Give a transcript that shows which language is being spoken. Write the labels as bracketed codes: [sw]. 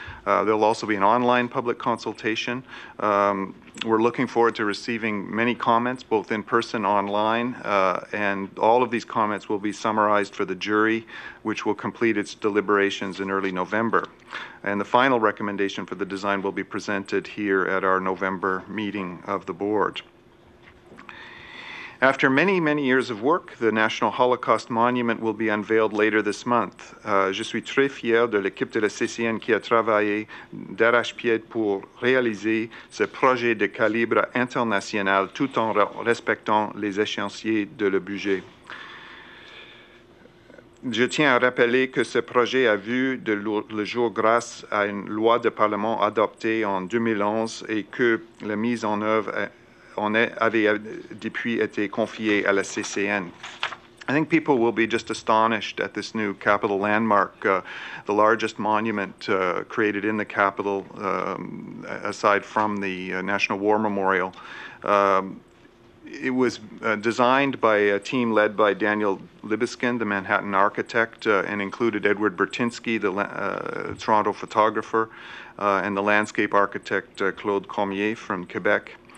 [en] There'll also be an online public consultation. We're looking forward to receiving many comments, both in person, online, and all of these comments will be summarized for the jury, which will complete its deliberations in early November. And the final recommendation for the design will be presented here at our November meeting of the board. After many, many years of work, the National Holocaust Monument will be unveiled later this month. [fr] Je suis très fier de l'équipe de la CCN qui a travaillé d'arrache-pied pour réaliser ce projet de calibre international tout en respectant les échéanciers de le budget. Je tiens à rappeler que ce projet a vu le jour grâce à une loi de Parlement adoptée en 2011 et que la mise en œuvre avait depuis été confié à la CCN. [en] I think people will be just astonished at this new Capitol landmark, the largest monument created in the Capitol, aside from the National War Memorial. It was designed by a team led by Daniel Libeskind, the Manhattan architect, and included Edward Bertinsky, the Toronto photographer, and the landscape architect Claude Cormier from Quebec.